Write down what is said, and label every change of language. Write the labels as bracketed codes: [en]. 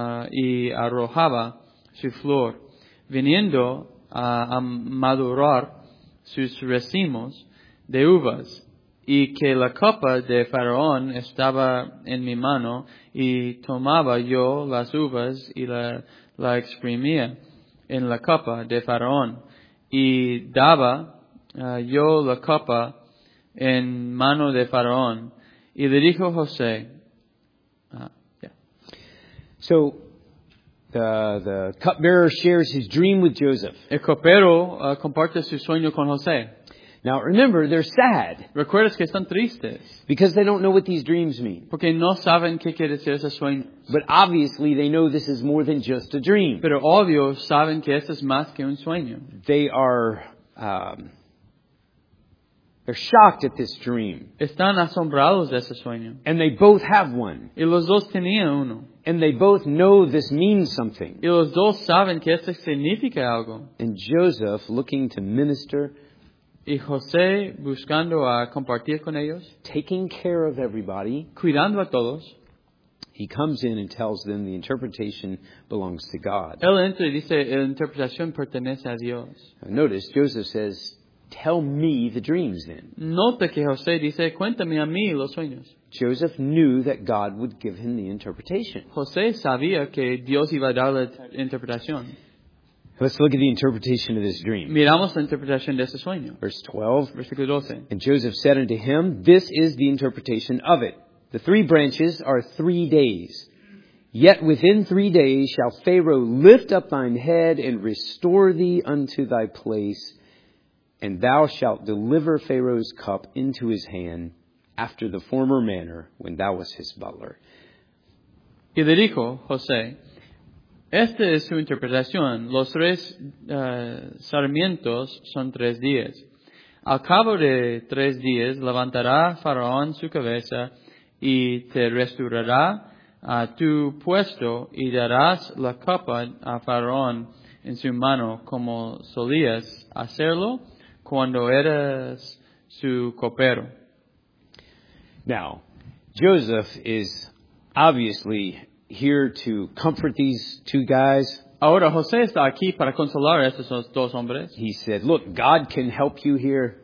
[es] y arrojaba su flor, viniendo a madurar sus racimos de uvas, y que la copa de Faraón estaba en mi mano, y tomaba yo las uvas y la exprimía en la copa de Faraón, y daba yo la copa en mano de Faraón. Y le dijo José. [en] So the cupbearer shares his dream with Joseph. [es] El copero comparte su sueño con José. [en] Now remember, they're sad. [es] Recuerdas que están tristes. [en] Because they don't know what these dreams mean. [es] Porque no saben qué quiere decir ese sueño. [en] But obviously they know this is more than just a dream. [es] Pero obvio saben que esto es más que un sueño. [en] They are they're shocked at this dream. [es] Están asombrados de ese sueño. [en] And they both have one. [es] Y los dos tenían uno. [en] And they both know this means something. [es] Y los dos saben que esto significa algo. [en] And Joseph, looking to minister, [es] y José buscando a compartir con ellos, [en] taking care of everybody, [es] cuidando a todos, [en] he comes in and tells them the interpretation belongs to God. [es] Él entra y dice, la interpretación pertenece a Dios. [en] Now notice, Joseph says, tell me the dreams then. [es] Nota que José dice, cuéntame a mí los sueños. [en] Joseph knew that God would give him the interpretation. [es] José sabía que Dios iba a dar la interpretación. [en] Let's look at the interpretation of this dream. [es] Miramos la interpretación de ese sueño. [en] Verse 12. [es] Versículo 12. [en] And Joseph said unto him, this is the interpretation of it. The three branches are 3 days. Yet within 3 days shall Pharaoh lift up thine head and restore thee unto thy place. And thou shalt deliver Pharaoh's cup into his hand after the former manner when thou wast his butler. [es] Y le dijo, José, esta es su interpretación. Los tres sarmientos son 3 días. Al cabo de 3 días levantará Faraón su cabeza y te restaurará a tu puesto y darás la copa a Faraón en su mano como solías hacerlo cuando eras su copero. [en] Now, Joseph is obviously here to comfort these two guys. [es] Ahora José está aquí para consolar a estos dos hombres. [en] He said, look, God can help you here.